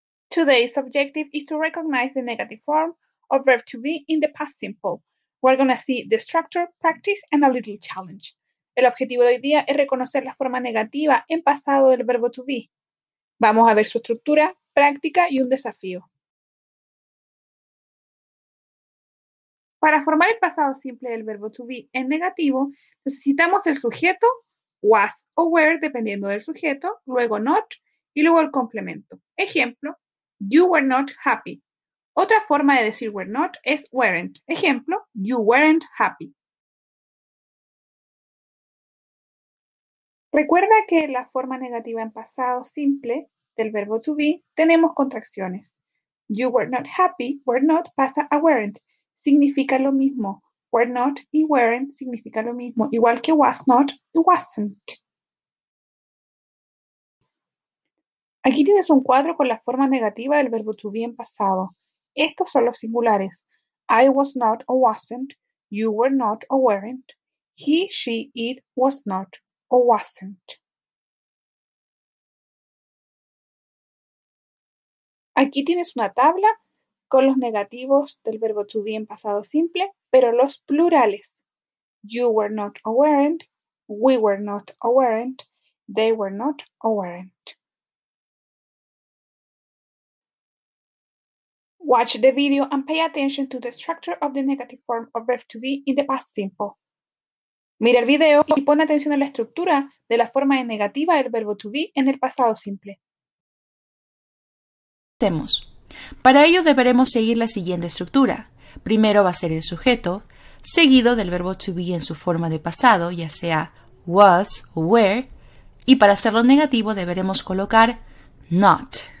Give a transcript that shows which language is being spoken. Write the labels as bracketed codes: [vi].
[en] Today's objective is to recognize the negative form of verb to be in the past simple. We're going to see the structure, practice, and a little challenge. [es] El objetivo de hoy día es reconocer la forma negativa en pasado del verbo to be. Vamos a ver su estructura, práctica y un desafío. Para formar el pasado simple del verbo to be en negativo, necesitamos el sujeto, was o were, dependiendo del sujeto, luego not y luego el complemento. [en] Ejemplo, you were not happy. [es] Otra forma de decir were not es weren't. [en] Ejemplo, you weren't happy. [es] Recuerda que en la forma negativa en pasado simple del verbo to be tenemos contracciones. [en] You were not happy, were not, [es] pasa a [en] weren't. [es] Significa lo mismo. Were not y weren't significa lo mismo. Igual que was not y wasn't. Aquí tienes un cuadro con la forma negativa del verbo to be en pasado. Estos son los singulares. [en] I was not or wasn't. You were not or weren't. He, she, it was not or wasn't. [es] Aquí tienes una tabla con los negativos del verbo to be en pasado simple, pero los plurales. [en] You were not or weren't, we were not or weren't, they were not or weren't. Watch the video and pay attention to the structure of the negative form of verb to be in the past simple. [es] Mira el video y pon atención a la estructura de la forma en negativa del verbo to be en el pasado simple. Hacemos. Para ello deberemos seguir la siguiente estructura. Primero va a ser el sujeto, seguido del verbo to be en su forma de pasado, ya sea was o were, y para hacerlo negativo deberemos colocar not.